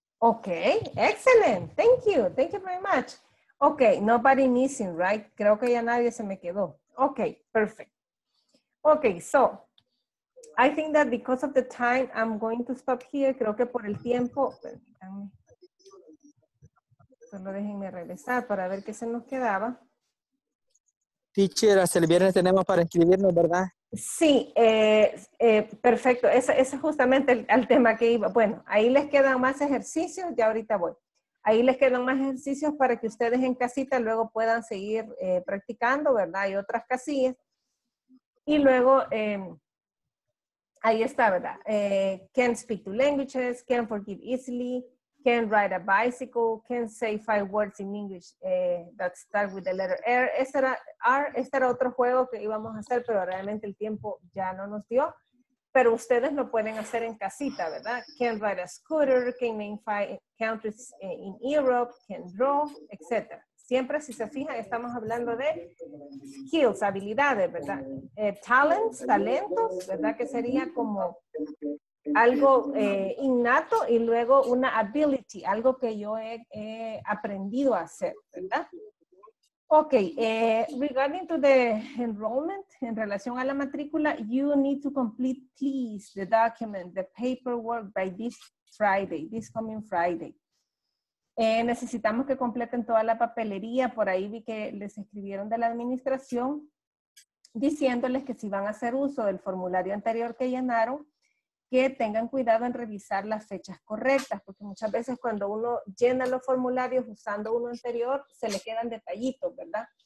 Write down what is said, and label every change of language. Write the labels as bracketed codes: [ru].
[en] Okay, excellent. Thank you. Thank you very much. Okay, nobody missing, right? [es] Creo que ya nadie se me quedó. [en] Okay, perfect. Okay, so I think that because of the time, I'm going to stop here. [es] Creo que por el tiempo, permítanme. Solo déjenme regresar para ver qué se nos quedaba. Teacher, hasta el viernes tenemos para inscribirnos, ¿verdad? Sí, perfecto. Ese es justamente el tema que iba. Bueno, ahí les quedan más ejercicios, ya ahorita voy. Ahí les quedan más ejercicios para que ustedes en casita luego puedan seguir practicando, ¿verdad? Hay otras casillas. Y luego, ahí está, ¿verdad? [en] Can speak two languages, can forgive easily, can ride a bicycle, can say five words in English that start with the letter R. [es] Este era otro juego que íbamos a hacer, pero realmente el tiempo ya no nos dio. Pero ustedes lo pueden hacer en casita, ¿verdad? [en] Can ride a scooter, can name five countries in Europe, can draw, etc. [es] Siempre, si se fijan, estamos hablando de skills, habilidades, ¿verdad? Talents, talentos, ¿verdad? Que sería como... algo innato y luego una ability, algo que yo he aprendido a hacer, ¿verdad? [en] Ok, regarding to the enrollment, [es] en relación a la matrícula, [en] you need to complete, please, the document, the paperwork by this Friday, this coming Friday. [es] Necesitamos que completen toda la papelería, por ahí vi que les escribieron de la administración, diciéndoles que si van a hacer uso del formulario anterior que llenaron, que tengan cuidado en revisar las fechas correctas, porque muchas veces cuando uno llena los formularios usando uno anterior, se le quedan detallitos, ¿verdad?